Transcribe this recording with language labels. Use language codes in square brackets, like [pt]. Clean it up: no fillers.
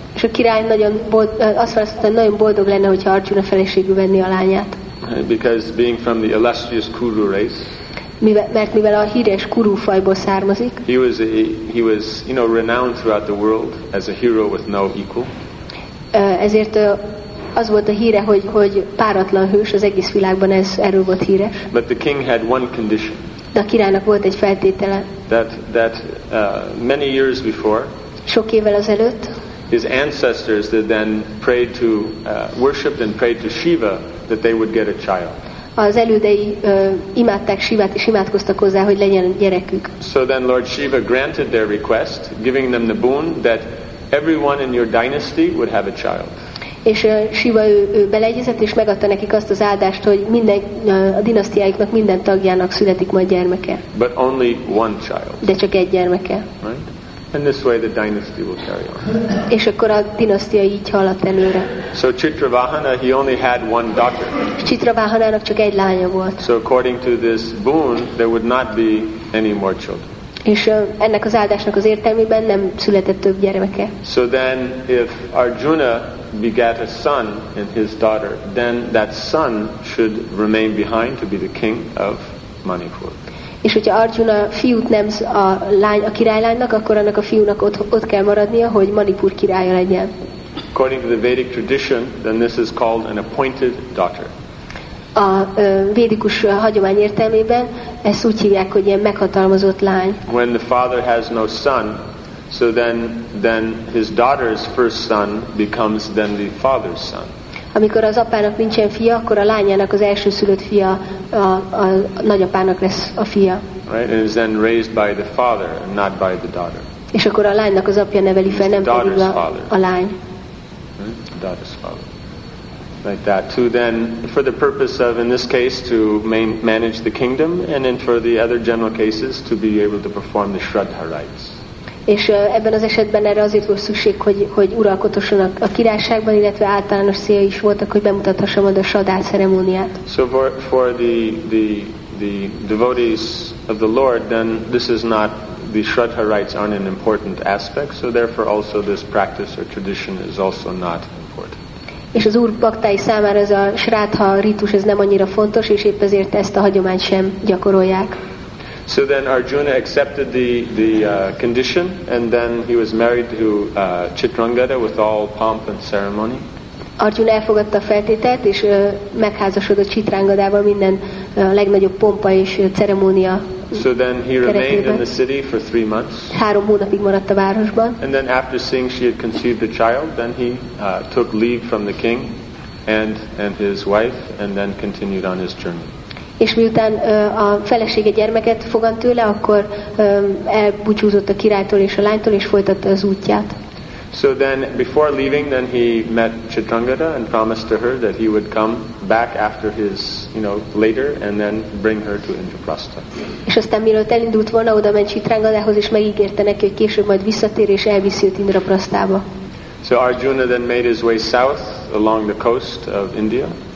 [hu] És a király nagyon boldog lenne, hogyha Arjuna feleségül venné a lányát. [en] because being from the illustrious Kuru race. [hu] Mivel a híres Kuru fajból származik. [en] He was you know, renowned throughout the world as a hero with no equal. [hu] Ezért az volt a híre, hogy páratlan hős az egész világban, ez erről volt híres. [en] But the king had one condition. [hu] De a királynak volt egy feltétele. [en] That many years before. [hu] Sok évvel ezelőtt. [en] His ancestors that then prayed to worshiped and prayed to Shiva that they would get a child. [hu] Az elődei imádták Shivát és imádkoztak hozzá, hogy legyen gyerekük. [en] So then Lord Shiva granted their request, giving them the boon that everyone in your dynasty would have a child. [hu] És Shiva ő beleegyezett és megadta nekik azt az áldást, hogy minden a dinasztiáiknak minden tagjának születik majd gyermeke. [en] But only one child. [hu] De csak egy gyermeke. [en] Right? And this way the dynasty will carry on. [hu] És akkor a dinasztia így haladt előre. [en] So Chitravahana, he only had one daughter. [hu] Chitravahanának csak egy lánya volt. [en] So according to this boon, there would not be any more children. [hu] És ennek az áldásnak az értelmében nem született több gyermeke. [en] So then if Arjuna begat a son and his daughter, then that son should remain behind to be the king of Manipur. [hu] És hogyha Arjuna fiút nemz a lány a királylánynak, akkor annak a fiúnak ott kell maradnia, hogy Manipur királya legyen. [en] According to the Vedic tradition, then this is called an appointed daughter. [hu] A védikus hagyomány értelmében ezt úgy hívják, hogy ilyen meghatalmazott lány. [en] When the father has no son, so then his daughter's first son becomes then the father's son. [hu] Amikor az apának nincsen fia, akkor a lányának az első szülött fia a nagyapának lesz a fia. [en] Right, and is then raised by the father, not by the daughter. [hu] És akkor a lánynak az apja neveli fel, nem pedig a lány. [en] The daughter's father. Like that too. Then, for the purpose of, in this case, to manage the kingdom, and then for the other general cases, to be able to perform the Shraddha rites. [hu] És ebben az esetben erre azért volt szükség, hogy uralkodhasson a királyságban, illetve általános célja is voltak, hogy bemutathassa majd a sadá ceremóniát. [en] So for the devotees of the Lord, then this is not, the Shraddha rites aren't an important aspect, so therefore also this practice or tradition is also not important. [hu] És az úr baktái számára ez a Shraddha ritus ez nem annyira fontos, és épp ezért ezt a hagyományt sem gyakorolják. [en] So then Arjuna accepted the condition, and then he was married to Chitrangada with all pomp and ceremony. [hu] Arjuna elfogadta a feltételt, és megházasodott Chitrangadával minden legnagyobb pompa és ceremónia. [en] So then he remained in the city for 3 months. [hu] 3 hónapig maradt a városban. [en] And then after seeing she had conceived a child, then he took leave from the king and his wife, and then continued on his journey. [hu] És miután a felesége gyermeket fogant tőle, akkor elbúcsúzott a királytól és a lánytól, és folytatta az útját. [en] So then, before leaving, then he met Chitrangada and promised to her that he would come back after his, you know, later, and then bring her to Indraprastha. [hu] És aztán mielőtt elindult volna, oda ment Chitrangadához, és megígérte neki, hogy később majd visszatér, és elviszi őt Indraprasthába. [en] So Arjuna then made his way south along the coast of India.